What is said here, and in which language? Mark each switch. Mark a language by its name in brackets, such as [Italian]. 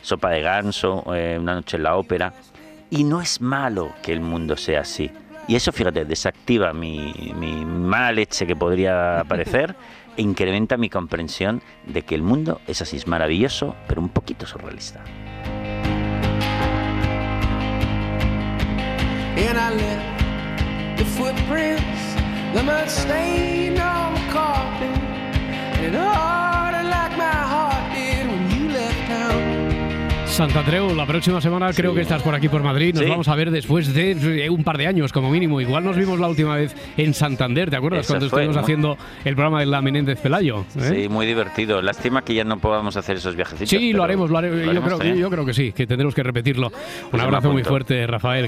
[Spanish] Sopa de ganso, Una noche en la ópera. Y no es malo que el mundo sea así. Y eso, fíjate, desactiva mi mala leche que podría aparecer e incrementa mi comprensión de que el mundo es así, es maravilloso, pero un poquito surrealista. [English] And I left the footprints, the mud stain on the carpet, and harder like my heart did when you left town. [Spanish] Sant Andreu, la próxima semana creo que estás por aquí por Madrid. Nos vamos a ver después de un par de años, como mínimo. Igual nos vimos la última vez en Santander, ¿te acuerdas? Cuando estuvimos haciendo el programa de la Menéndez Pelayo. Sí, muy divertido. Lástima que ya no podamos hacer esos viajecitos. Sí, lo haremos. Yo creo que sí, que tendremos que repetirlo. Un abrazo muy fuerte, Rafael.